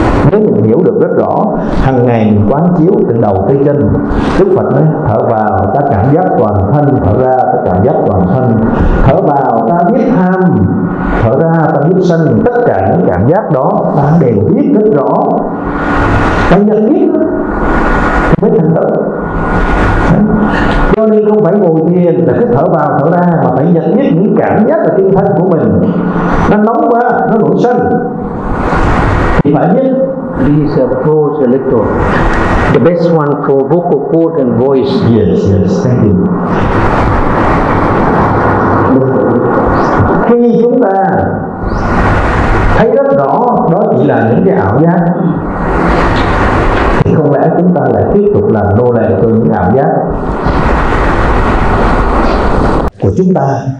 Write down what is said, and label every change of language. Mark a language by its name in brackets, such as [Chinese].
[Vietnamese] Nếu mình hiểu được rất rõ, hằng ngày mình quán chiếu từ đầu tới chân, Đức Phật nói thở vào ta cảm giác toàn thân, thở ra ta cảm giác toàn thân, thở vào ta biết tham, thở ra ta biết sân, tất cả những cảm giác đó ta đều biết rất rõ, ta nhận biết thì mới thành tựu. Cho nên không phải ngồi thiền là cứ thở vào thở ra, mà phải nhận biết những cảm giác ở tinh thần của mình, nó nóng quá nó nổi sân. [English] This is a poor selector. The best one for vocal cord and voice. Yes, yes, thank you. [Vietnamese] Khi chúng ta thấy rất rõ đó chỉ là những cái ảo giác, thì không lẽ chúng ta lại tiếp tục làm nô lệ cho những ảo giác của chúng ta?